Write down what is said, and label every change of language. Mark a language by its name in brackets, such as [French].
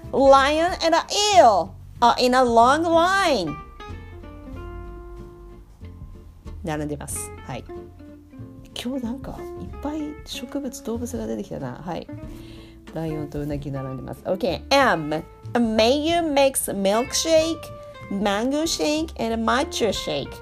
[English] Lion and an eel are in a long line. [Japanese] 並んでます。はい。今日なんかいっぱい植物、動物が出てきたな。はい。ライオンとウナギ並んでます。 [English] Okay, M. A mayor makes milkshake, mango shake, and matcha shake.